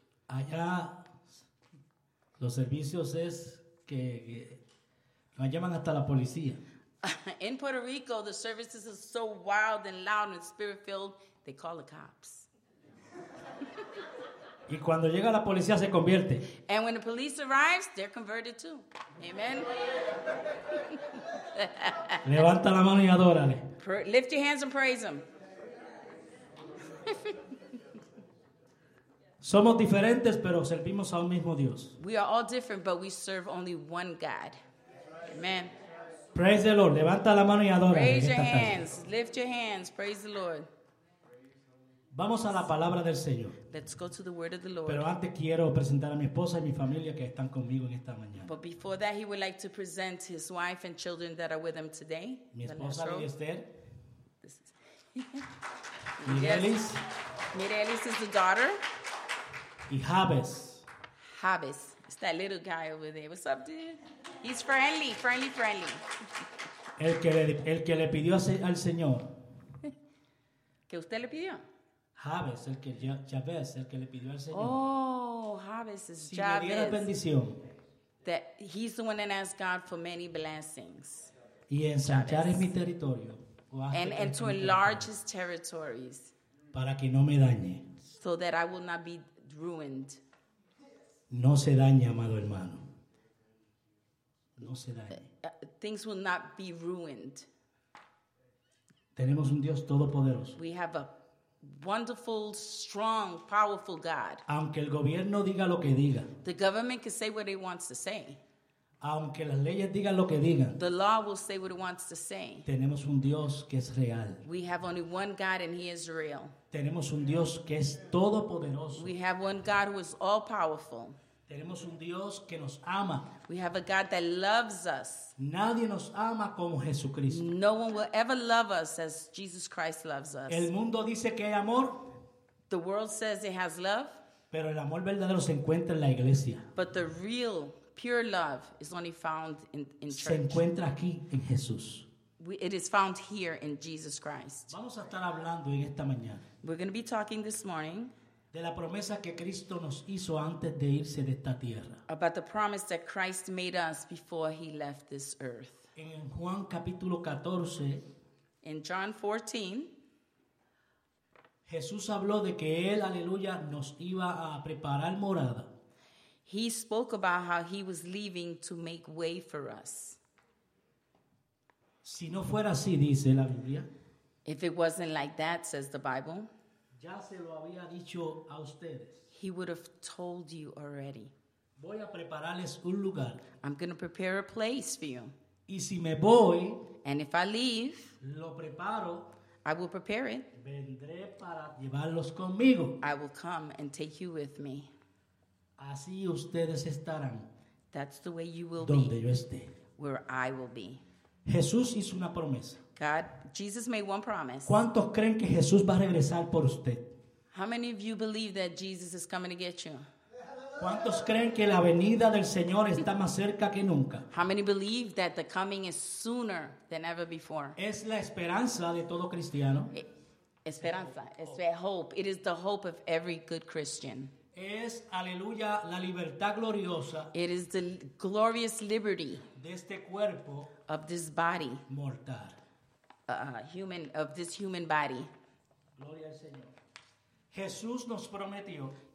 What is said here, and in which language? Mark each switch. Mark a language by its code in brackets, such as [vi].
[es] Allá los servicios es que nos llaman hasta la policía. [en] In Puerto Rico, the services are so wild and loud and spirit-filled, they call the cops. [es] Y cuando llega la policía se convierte. [en] And when the police arrives, they're converted too. Amen. [es] Levanta la mano y adórale. [en] Lift your hands and praise them. [es] Somos diferentes, pero servimos a un mismo Dios. [en] We are all different, but we serve only one God. Amen. Praise the Lord. [es] Levanta la mano y adora. [en] Raise your hands. Lift your hands. Praise the Lord. [es] Vamos a la palabra del Señor. [en] Let's go to the word of the Lord. [es] Pero antes quiero presentar a mi esposa y mi familia que están conmigo en esta mañana. [en] But before that, he would like to present his wife and children that are with him today. [es] Mi esposa, Lili Esther. Mirelis. [en] Mirelis is the daughter. [es] Y Javes. Javes. [en] That little guy over there. What's up, dude? He's friendly, friendly, friendly. [es] El que le pidió al Señor. ¿Qué usted le pidió? Javes, el que Javes, el que le pidió al Señor. [en] Oh, Javes is Javes. [es] Si le diera bendición. [en] That he's the one that asked God for many blessings. [es] Y ensanchar mi territorio. [en] And to enlarge his territories. [es] Para que no me dañe. [en] So that I will not be ruined. [es] No se dañe, amado hermano. No se dañe. [en] Things will not be ruined. [es] Tenemos un Dios todopoderoso. [en] We have a wonderful, strong, powerful God. [es] Aunque el gobierno diga lo que diga. [en] The government can say what it wants to say. [es] Aunque las leyes digan lo que digan. [en] The law will say what it wants to say. [es] Tenemos un Dios que es real. [en] We have only one God and he is real. [es] Tenemos un Dios que es todopoderoso. [en] We have one God who is all powerful. [es] Tenemos un Dios que nos ama. [en] We have a God that loves us. [es] Nadie nos ama como Jesucristo. [en] No one will ever love us as Jesus Christ loves us. [es] El mundo dice que hay amor. [en] The world says it has love. [es] Pero el amor verdadero se encuentra en la iglesia. [en] But the real pure love is only found in church. [es] Se encuentra aquí en Jesús. [en] It is found here in Jesus Christ. [es] Vamos a estar hablando en esta mañana. [en] We're going to be talking this morning. [es] De la promesa que Cristo nos hizo antes de irse de esta tierra. [en] About the promise that Christ made us before he left this earth. [es] En Juan capítulo 14. [en] In John 14. [es] Jesús habló de que él, aleluya, nos iba a preparar morada. [en] He spoke about how he was leaving to make way for us. [es] Si no fuera así, dice la Biblia. [en] If it wasn't like that, says the Bible. [es] Ya se lo había dicho a ustedes. [en] He would have told you already. [es] Voy a prepararles un lugar. [en] I'm going to prepare a place for you. [es] Y si me voy. [en] And if I leave. [es] Lo preparo. [en] I will prepare it. [es] Vendré para llevarlos conmigo. [en] I will come and take you with me. [es] Así ustedes estarán. [en] That's the way you will [es] donde [en] be. [es] Yo esté. [en] Where I will be. [es] Jesús hizo una promesa. [en] God, Jesus made one promise. [es] ¿Cuántos creen que Jesús va a regresar por usted? [en] How many of you believe that Jesus is coming to get you? [es] ¿Cuántos creen que la venida del Señor está más cerca que nunca? [en] How many believe that the coming is sooner than ever before? [es] Es la esperanza de todo cristiano. Esperanza, es hope. [en] It is the hope of every good Christian. [es] Es, aleluya, la libertad gloriosa. [en] It is the glorious liberty [es] de este cuerpo [en] of this body. [es] Mortal. [en] Human of this human body. [es] Gloria al Señor. Jesús nos prometió.